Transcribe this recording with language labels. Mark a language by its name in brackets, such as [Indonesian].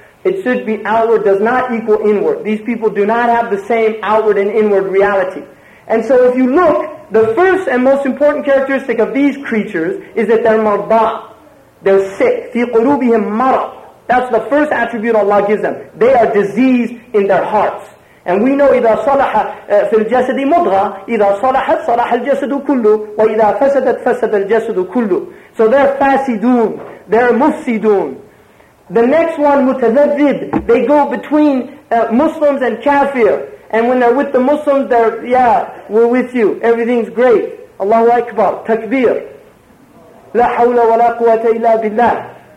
[English] It should be outward does not equal inward. These people do not have the same outward and inward reality. And so if you look, the first and most important characteristic of these creatures is that they're marba. They're sick. [Arabic] في قلوبهم مرض. [English] That's the first attribute Allah gives them. They are diseased in their hearts. [Arabic] And we know, إِذَا صَلَحَ فِي الْجَسَدِ مُضْغَى إِذَا صَلَحَتْ صَلَحَ الْجَسَدُ كُلُّ وَإِذَا فَسَدَتْ فَسَدَ الْجَسَدُ كُلُّ. [English] So they're fasidun. They're mufsidun. The next one, متذذب. They go between Muslims and kafir. And when they're with the Muslims, they're, yeah, we're with you. Everything's great. Allahu Akbar. Takbir. [Arabic] La hawla wa la quwwata illa billah.